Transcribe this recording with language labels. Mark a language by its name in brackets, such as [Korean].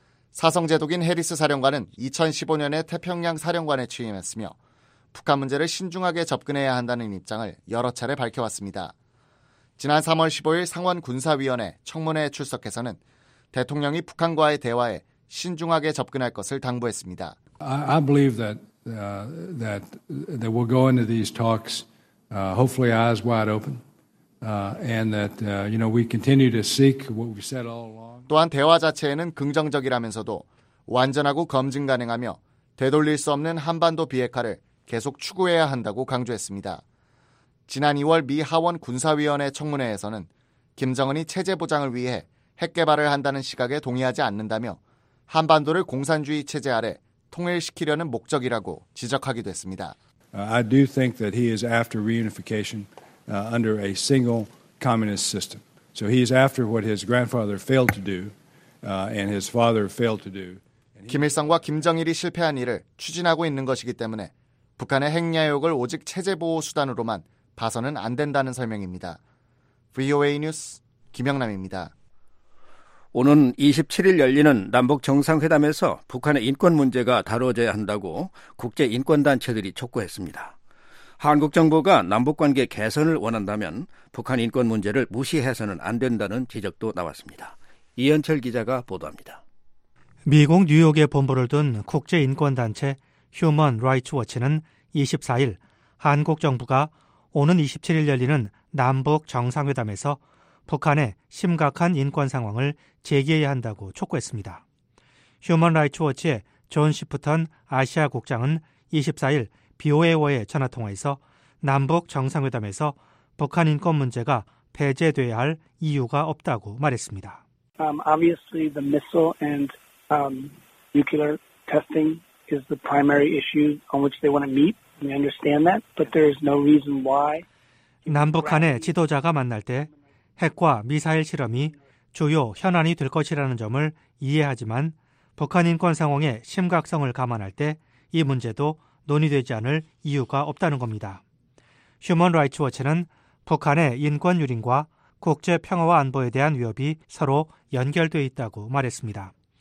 [Korean] 사성제독인 해리스 사령관은 2015년에 태평양 사령관에 취임했으며 북한 문제를 신중하게 접근해야 한다는 입장을 여러 차례 밝혀왔습니다. 지난 3월 15일 상원군사위원회 청문회에 출석해서는 대통령이 북한과의 대화에 신중하게 접근할 것을 당부했습니다. [English] I believe that we'll go into these talks hopefully eyes wide open. We continue to seek what we said all along. [Korean] 또한 대화 자체에는 긍정적이라면서도 완전하고 검증 가능하며 되돌릴 수 없는 한반도 비핵화를 계속 추구해야 한다고 강조했습니다. 지난 2월 미 하원 군사위원회 청문회에서는 김정은이 체제 보장을 위해 핵 개발을 한다는 시각에 동의하지 않는다며 한반도를 공산주의 체제 아래 통일시키려는 목적이라고 지적하기도 했습니다. [English] I do think that he is after reunification under a single communist system. So he is after what his grandfather failed to do and his father failed to do. [Korean] 김일성과 김정일이 실패한 일을 추진하고 있는 것이기 때문에 북한의 핵야욕을 오직 체제 보호 수단으로만 봐서는 안 된다는 설명입니다. VOA 뉴스 김영남입니다. 오는 27일 열리는 남북정상회담에서 북한의 인권 문제가 다뤄져야 한다고 국제인권단체들이 촉구했습니다. 한국 정부가 남북관계 개선을 원한다면 북한 인권 문제를 무시해서는 안 된다는 지적도 나왔습니다. 이현철 기자가 보도합니다. 미국 뉴욕에 본부를 둔 국제인권단체 Human Rights Watch는 24일 한국 정부가 오는 27일 열리는 남북정상회담에서 북한의 심각한 인권 상황을 제기해야 한다고 촉구했습니다. 휴먼 라이츠 워치의 존 시프턴 아시아 국장은 24일 BOA와의 전화통화에서 남북 정상회담에서 북한 인권 문제가 배제돼야 할 이유가 없다고 말했습니다. [English] Obviously the missile and nuclear testing is the primary issue on which they want to meet. We understand that, but there is no reason why [Korean] 남북한의 지도자가 만날 때 핵과 미사일 실험이 주요 현안이 될 것이라는 점을 이해하지만 북한 인권 상황의 심각성을 감안할 때 이 문제도 논의되지 않을 이유가 없다는 겁니다. 휴먼 라이츠 워치는 북한의 인권 유린과 국제 평화와 안보에 대한 위협이 서로 연결되어 있다고 말했습니다.